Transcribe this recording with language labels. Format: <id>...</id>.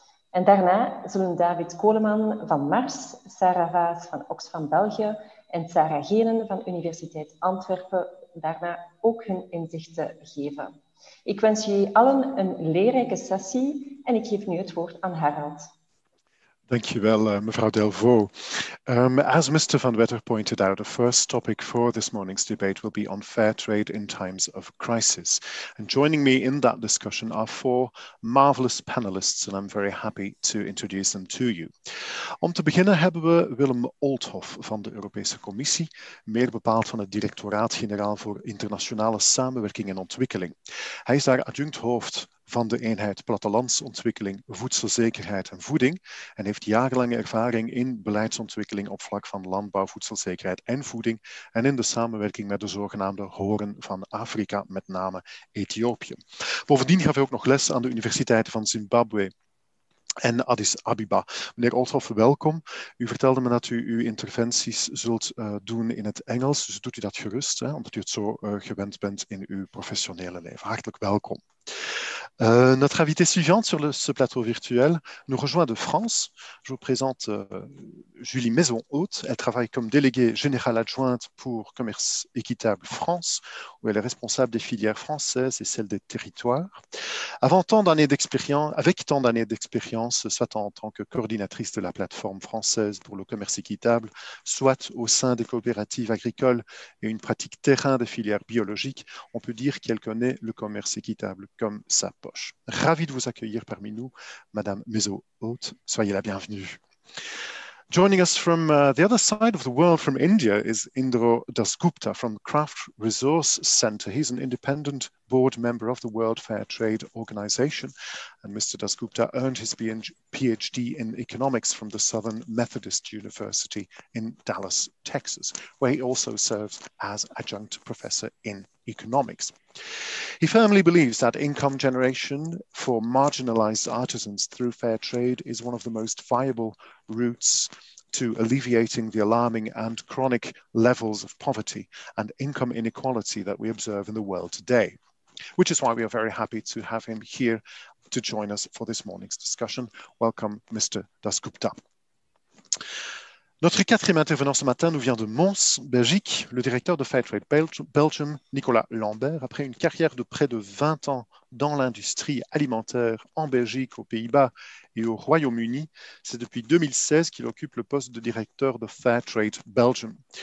<nl>En daarna zullen David Koleman van Mars, Sarah Vaas van Oxfam België en Sarah Geenen van Universiteit Antwerpen daarna ook hun inzichten geven. Ik wens jullie allen een leerrijke sessie en ik geef nu het woord aan Harald. Dankjewel, mevrouw Delvaux.</nl> <en>As Mr. Van Wetter pointed out, the first topic for this morning's debate will be on fair trade in times of crisis. And joining me in that discussion are four marvelous panelists, and I'm very happy to introduce them to you.</en> <nl>Om te beginnen hebben we Willem Olthoff van de Europese Commissie, meer bepaald van het Directoraat-Generaal voor Internationale Samenwerking en Ontwikkeling. Hij is daar adjunct hoofd van de eenheid Plattelandsontwikkeling, Voedselzekerheid en Voeding en heeft jarenlange ervaring in beleidsontwikkeling op vlak van landbouw, voedselzekerheid en voeding en in de samenwerking met de zogenaamde Horen van Afrika, met name Ethiopië. Bovendien gaf hij ook nog les aan de Universiteiten van Zimbabwe en Addis Abeba. Meneer Olthoff, welkom. U vertelde me dat u uw interventies zult doen in het Engels, dus doet u dat gerust, hè, omdat u het zo gewend bent in uw professionele leven. Hartelijk welkom.</nl> <fr>Notre invité suivante sur ce plateau virtuel nous rejoint de France. Je vous présente Julie Maison-Haute. Elle travaille comme déléguée générale adjointe pour Commerce Équitable France, où elle est responsable des filières françaises et celles des territoires. Avec tant d'années d'expérience, soit en tant que coordinatrice de la plateforme française pour le commerce équitable, soit au sein des coopératives agricoles et une pratique terrain des filières biologiques, on peut dire qu'elle connaît le commerce équitable comme sa poche. Ravie de vous accueillir parmi nous, Madame Maison-Haute. Soyez la bienvenue.</fr> <en>Joining us from the other side of the world, from India, is Indro Dasgupta from the Craft Resource Center. He's an independent board member of the World Fair Trade Organization. And Mr. Dasgupta earned his PhD in economics from the Southern Methodist University in Dallas, Texas, where he also serves as adjunct professor in economics. He firmly believes that income generation for marginalized artisans through fair trade is one of the most viable routes to alleviating the alarming and chronic levels of poverty and income inequality that we observe in the world today, which is why we are very happy to have him here to join us for this morning's discussion. Welcome, Mr. Dasgupta.</en> <fr>Notre quatrième intervenant ce matin nous vient de Mons, Belgique, le directeur de Fairtrade Belgium, Nicolas Lambert. Après une carrière de près de 20 ans dans l'industrie alimentaire en Belgique, aux Pays-Bas et au Royaume-Uni, c'est depuis 2016 qu'il occupe le poste de directeur de Fairtrade Belgium.</fr>